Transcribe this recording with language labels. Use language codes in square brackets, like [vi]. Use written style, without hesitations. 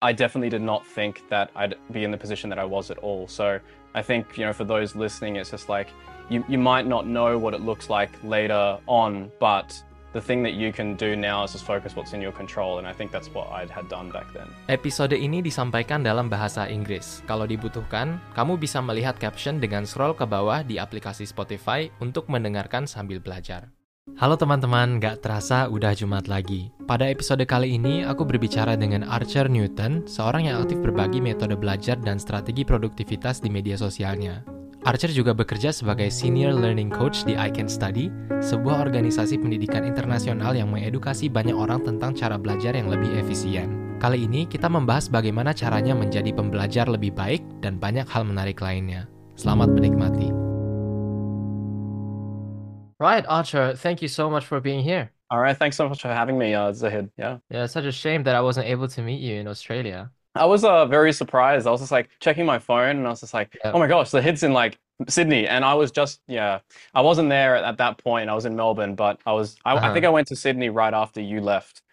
[en] I definitely did not think that I'd be in the position that I was at all. So I think, for those listening, it's just like you might not know what it looks like later on, but the thing that you can do now is just focus what's in your control, and I think that's what I'd had done back then. [id] Episode ini disampaikan dalam bahasa Inggris. Kalau dibutuhkan, kamu bisa melihat caption dengan scroll ke bawah di aplikasi Spotify untuk mendengarkan sambil belajar. Halo teman-teman, gak terasa udah Jumat lagi. Pada episode kali ini, aku berbicara dengan Archer Newton, seorang yang aktif berbagi metode belajar dan strategi produktivitas di media sosialnya. Archer juga bekerja sebagai Senior Learning Coach di I Can Study, sebuah organisasi pendidikan internasional yang mengedukasi banyak orang tentang cara belajar yang lebih efisien. Kali ini, kita membahas bagaimana caranya menjadi pembelajar lebih baik dan banyak hal menarik lainnya. Selamat menikmati. [en] Right, Archer, thank you so much for being here. All right, thanks so much for having me, Zahid. Yeah, it's such a shame that I wasn't able to meet you in Australia. I was very surprised. I was just like checking my phone and I was just like, oh my gosh, Zahid's in like Sydney. And I was just, I wasn't there at that point. I was in Melbourne, but I think I went to Sydney right after you left.